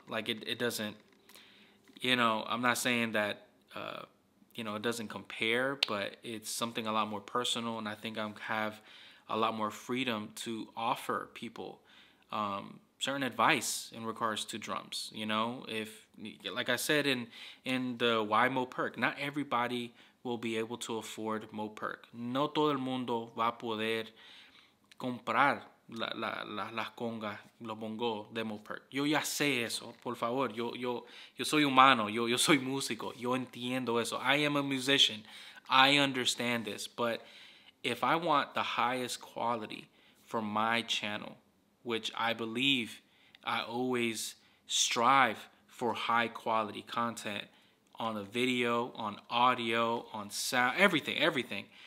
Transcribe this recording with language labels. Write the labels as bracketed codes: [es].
[en] Like, it doesn't, you know, I'm not saying that, you know, it doesn't compare, but it's something a lot more personal, and I think I have a lot more freedom to offer people certain advice in regards to drums. You know, if, like I said in the Why Mopurk, not everybody will be able to afford Mopurk. [es] No todo el mundo va a poder comprar las congas, los bongos de Mopurk. Yo ya sé eso, por favor. Yo soy humano, yo soy músico, yo entiendo eso. [en] I am a musician, I understand this, but if I want the highest quality for my channel, which I believe I always strive for high quality content on a video, on audio, on sound, everything.